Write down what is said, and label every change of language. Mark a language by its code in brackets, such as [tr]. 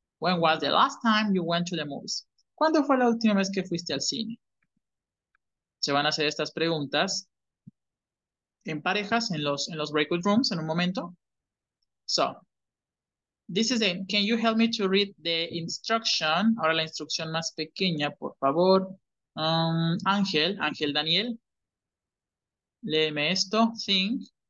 [en] When was the last time you went to the movies? [es] ¿Cuándo fue la última vez que fuiste al cine? Se van a hacer estas preguntas en parejas, en los breakout rooms, en un momento. [en] So, this is it. Can you help me to read the instruction? [es] Ahora la instrucción más pequeña, por favor. Ángel Daniel. Léeme esto. [en] Think.